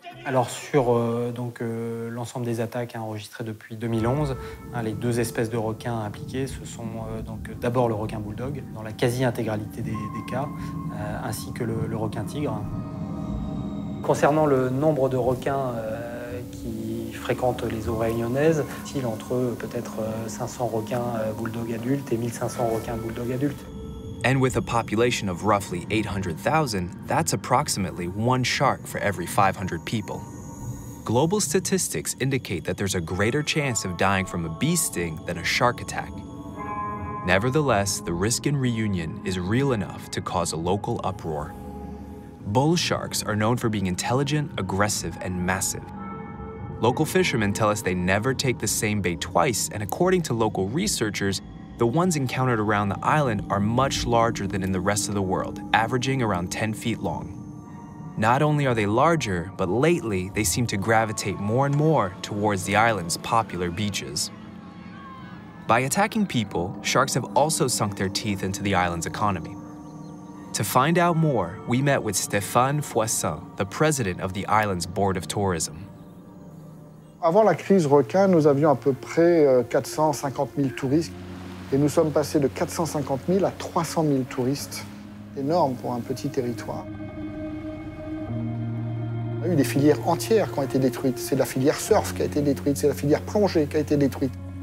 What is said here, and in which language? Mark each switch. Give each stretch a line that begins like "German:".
French: Alors sur l'ensemble des attaques enregistrées depuis 2011, hein, les deux espèces de requins impliquées, ce sont d'abord le requin bulldog, dans la quasi-intégralité des cas, ainsi que le requin tigre. Concernant le nombre de requins qui fréquentent les eaux réunionnaises, il y a entre eux peut-être 500 requins bulldog adultes et 1500 requins bulldog adultes.
English: And with a population of roughly 800,000, that's approximately one shark for every 500 people. Global statistics indicate that there's a greater chance of dying from a bee sting than a shark attack. Nevertheless, the risk in Réunion is real enough to cause a local uproar. Bull sharks are known for being intelligent, aggressive, and massive. Local fishermen tell us they never take the same bait twice, and according to local researchers, the ones encountered around the island are much larger than in the rest of the world, averaging around 10 feet long. Not only are they larger, but lately they seem to gravitate more and more towards the island's popular beaches. By attacking people, sharks have also sunk their teeth into the island's economy. To find out more, we met with Stéphane Foissin, the president of the island's board of tourism.
French: Avant la crise requin, nous avions à peu près 450 000 touristes. Et nous sommes passés de 450 000 à 300 000 touristes. Énorme pour un petit territoire. Il y a eu des filières entières qui ont été détruites. C'est la filière surf qui a été détruite, c'est la filière plongée qui a été détruite.